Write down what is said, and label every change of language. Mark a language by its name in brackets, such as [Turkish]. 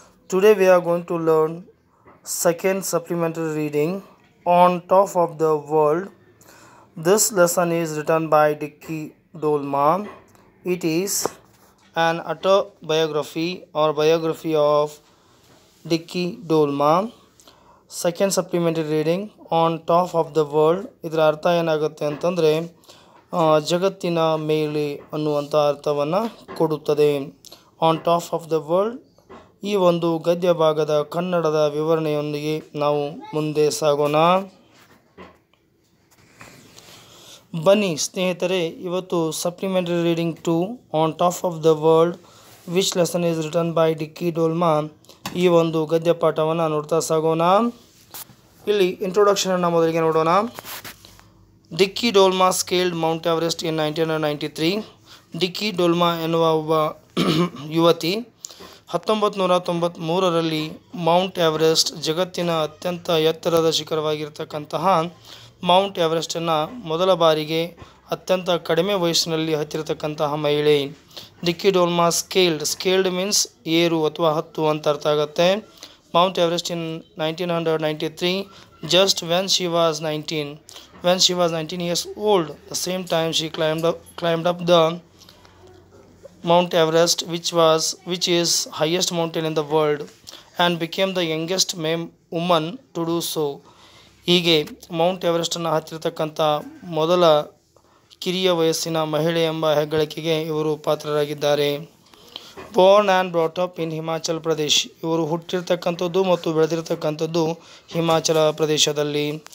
[English] Today we are going to learn second supplementary reading on top of the world. This lesson is written by Dickie Dolman. It is an autobiography or biography of Dickie Dolman. Second supplementary reading on top of the world. [Kannada] ಇದರ ಅರ್ಥ ಏನಾಗುತ್ತೆ ಅಂತಂದರೆ ಜಗತ್ತಿನ ಮೇಲೆ ಅನ್ನುವಂಥ ಅರ್ಥವನ್ನು ಕೊಡುತ್ತದೆ. [English] on top of the world [Kannada] ಈ ಒಂದು ಗದ್ಯ ಭಾಗದ ಕನ್ನಡದ ವಿವರಣೆಯೊಂದಿಗೆ ನಾವು ಮುಂದೆ ಸಾಗೋಣ. ಬನ್ನಿ ಸ್ನೇಹಿತರೆ, ಇವತ್ತು [English] supplementary reading to on top of the world which lesson is written by Dicky Dolma [Kannada] ಈ ಒಂದು ಗದ್ಯ ಪಾಠವನ್ನು ನೋಡ್ತಾ ಸಾಗೋಣ. ಇಲ್ಲಿ ಇಂಟ್ರೊಡಕ್ಷನನ್ನು ಮೊದಲಿಗೆ ನೋಡೋಣ. [English] Dicky Dolma scaled Mount Everest in 1993. [Kannada] ಡಿಕ್ಕಿ ಡೋಲ್ಮಾ ಎನ್ನುವ ಒಬ್ಬ ಯುವತಿ 1993ರಲ್ಲಿ ಮೌಂಟ್ ಎವರೆಸ್ಟ್, ಜಗತ್ತಿನ ಅತ್ಯಂತ ಎತ್ತರದ ಶಿಖರವಾಗಿರತಕ್ಕಂತಹ ಮೌಂಟ್ ಎವರೆಸ್ಟನ್ನು ಮೊದಲ ಬಾರಿಗೆ ಅತ್ಯಂತ ಕಡಿಮೆ ವಯಸ್ಸಿನಲ್ಲಿ ಹತ್ತಿರತಕ್ಕಂತಹ ಮಹಿಳೆ. ಡಿಕ್ಕಿ ಡೋಲ್ಮಾ [English] scaled means [Kannada] ಏರು ಅಥವಾ ಹತ್ತು ಅಂತ ಅರ್ಥ ಆಗುತ್ತೆ. [English] Mount Everest in 1993 just when she was 19 When she was 19 years old, the same time she climbed up the Mount Everest, which is highest mountain in the world, and became the youngest woman to do so. [Kannada] ಹೀಗೆ Mount ಎವರೆಸ್ಟನ್ನು ಹತ್ತಿರತಕ್ಕಂಥ ಮೊದಲ ಕಿರಿಯ ವಯಸ್ಸಿನ ಮಹಿಳೆ ಎಂಬ ಹೆಗ್ಗಳಿಕೆಗೆ ಇವರು ಪಾತ್ರರಾಗಿದ್ದಾರೆ. [English] born and brought up in Himachal Pradesh, [Kannada] ಇವರು ಹುಟ್ಟಿರ್ತಕ್ಕಂಥದ್ದು ಮತ್ತು ಬೆಳೆದಿರತಕ್ಕಂಥದ್ದು ಹಿಮಾಚಲ ಪ್ರದೇಶದಲ್ಲಿ.